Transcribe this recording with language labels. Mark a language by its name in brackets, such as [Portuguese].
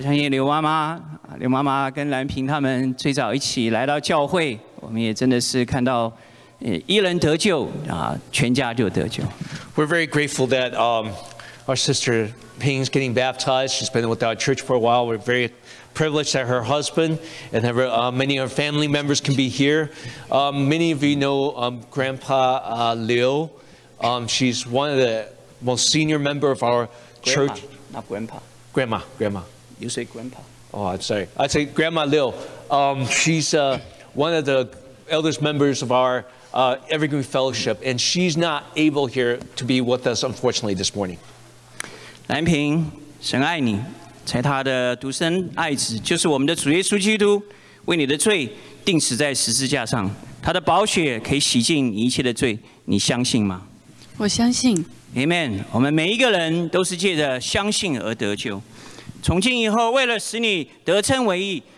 [Chinese] 刘妈妈跟蓝萍他们最早一起来到教会，我们也真的是看到一人得救全家就得救。 [English] We're very grateful that our sister Ping's getting baptized. She's been with our church for a while. We're very privileged that her husband and her, many of her family members can be here. Many of you know Grandpa Liu. She's one of the most senior members of our church. Grandma, not Grandpa. Grandma. You say Grandpa. Oh, I'm sorry. I say Grandma Liu. She's one of the eldest members of ourEvergreen Fellowship, and she's not able here to be with us, unfortunately, this morning. [Chinese] 蓝萍，神爱你，在他的独生爱子，就是我们的主耶稣基督，为你的罪钉死在十字架上，他的宝血可以洗净你一切的罪，你相信吗？我相信。 [English] Amen. [Chinese] 我们每一个人都是借着相信而得救。从今以后，为了使你得称为义。